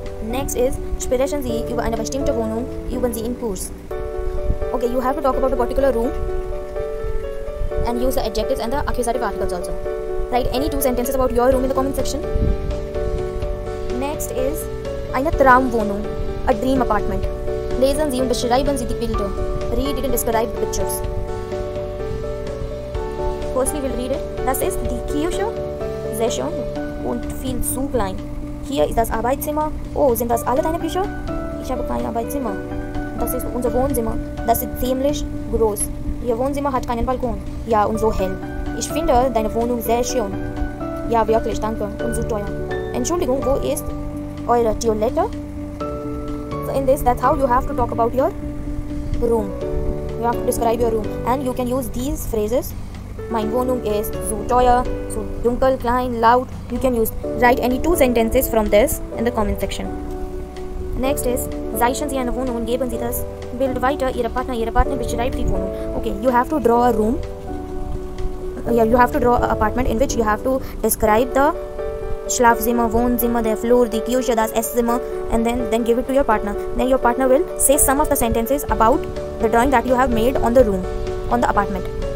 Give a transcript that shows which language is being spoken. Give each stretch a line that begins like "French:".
English: Next is,
German: sprechen Sie über eine bestimmte Wohnung, üben Sie im Kurs.
English: Okay, you have to talk about a particular room and use the adjectives and the accusative articles also. Write any two sentences about your room in the comment section. Next is,
German: eine Traumwohnung,
English: a dream apartment.
German: Lesen Sie und beschreiben Sie die Bilder.
English: Read it and describe the pictures. Firstly, we'll read it.
German: Das ist die Küche, sehr schön und viel zu klein. Hier ist das Arbeitszimmer. Oh, sind das alle deine Bücher? Ich habe kein Arbeitszimmer. Das ist unser Wohnzimmer. Das ist ziemlich groß. Ihr Wohnzimmer hat keinen Balkon. Ja, und so hell. Ich finde deine Wohnung sehr schön. Ja, wirklich, danke. Und so teuer. Entschuldigung, wo ist eure Toilette?
English: So in this, that's how you have to talk about your room. You have to describe your room. And you can use these phrases.
German: Mein Wohnung ist so teuer, so dunkel, klein, laut.
English: You can use, write any two sentences from this in the comment section. Next is,
German: zeichnen Sie eine Wohnung und geben Sie das Bild weiter, Ihre Partner beschreibt die Wohnung.
English: Okay, you have to draw a room. Yeah, you have to draw an apartment in which you have to describe the Schlafzimmer, Wohnzimmer, the floor, the Küche, das Esszimmer, and then give it to your partner. Then your partner will say some of the sentences about the drawing that you have made on the room, on the apartment.